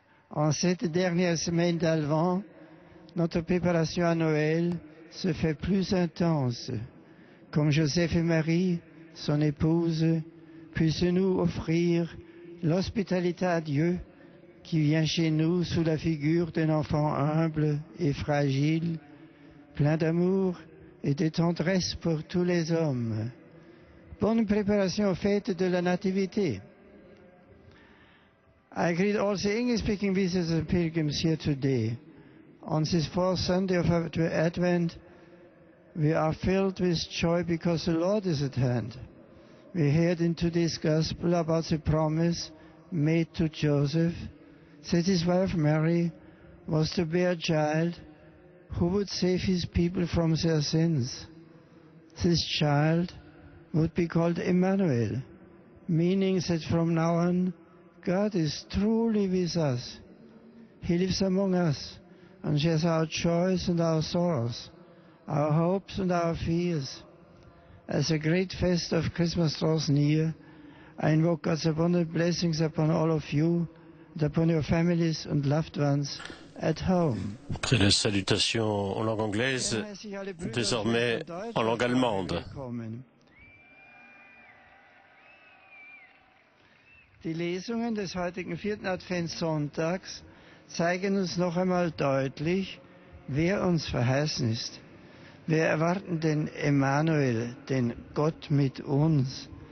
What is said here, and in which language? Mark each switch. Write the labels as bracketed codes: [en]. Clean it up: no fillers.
[fr] En cette dernière semaine d'Alvent, notre préparation à Noël se fait plus intense, comme Joseph et Marie, son épouse, puissent nous offrir l'hospitalité à Dieu qui vient chez nous sous la figure d'un enfant humble et fragile, plein d'amour et de tendresse pour tous les hommes. Bonne préparation aux fêtes de la Nativité. [en] I greet all the English-speaking visitors and pilgrims here today. On this fourth Sunday of Advent, we are filled with joy because the Lord is at hand. We heard in today's Gospel about the promise made to Joseph that his wife Mary was to bear a child who would save his people from their sins. This child would be called Emmanuel, meaning that from now on, God is truly with us. He lives among us and shares our joys and our sorrows, our hopes and our fears. As the great feast of Christmas draws near, I invoke God's abundant blessings upon all of you and upon your families and loved ones at home. [fr] Après les salutations en langue anglaise, désormais en langue allemande. [de] Die Lesungen des heutigen vierten Adventssonntags zeigen uns noch einmal deutlich, wer uns verheißen ist. Wir erwarten den Emmanuel, den Gott mit uns.